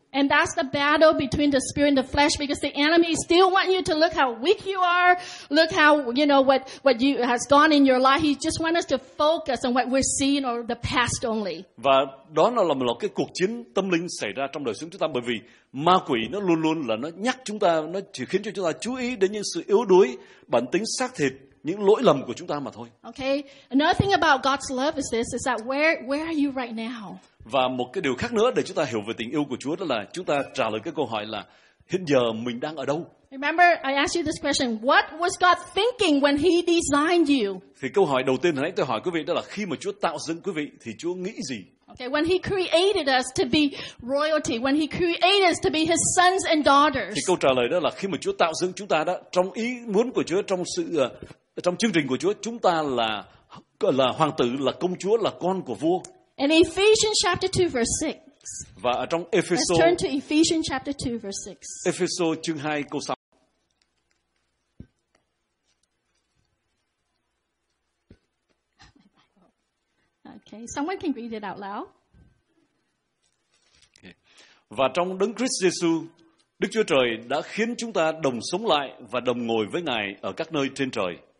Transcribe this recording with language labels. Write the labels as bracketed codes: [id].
[en] And that's the battle between the spirit and the flesh, because the enemy still wants you to look how weak you are, look how, you know, what you has gone in your life. He just wants us to focus on what we're seeing or the past only. [vi] Và đó nó là một cái cuộc chiến tâm linh xảy ra trong đời sống chúng ta, bởi vì ma quỷ nó luôn luôn là nó nhắc chúng ta, nó chỉ khiến cho chúng ta chú ý đến những sự yếu đuối, bản tính xác thịt, những lỗi lầm của chúng ta mà thôi. [en] Okay. Another thing about God's love is this, is that where are you right now? [vi] Và một cái điều khác nữa để chúng ta hiểu về tình yêu của Chúa, đó là chúng ta trả lời cái câu hỏi là hiện giờ mình đang ở đâu? [en] Remember, I asked you this question. What was God thinking when He designed you? [vi] Thì câu hỏi đầu tiên hồi nãy tôi hỏi quý vị, đó là khi mà Chúa tạo dựng quý vị thì Chúa nghĩ gì? [en] Okay, when He created us to be royalty, when He created us to be His sons and daughters. [vi] Thì câu trả lời đó là khi mà Chúa tạo dựng chúng ta đó, trong ý muốn của Chúa, trong sự trong chương trình của Chúa, chúng ta là hoàng tử, là công chúa, là con của vua. [en] In Ephesians chapter 2 verse 6. [vi] Và ở trong Ephesos. [en] Let's turn to Ephesians chapter 2 verse 6. [vi] Ephesos chương 2 câu 6. [en] Okay, someone can read it out loud. Okay. [vi] Và trong Đấng Christ Jesus, Đức Chúa Trời đã khiến chúng ta đồng sống lại và đồng ngồi với Ngài ở các nơi trên trời.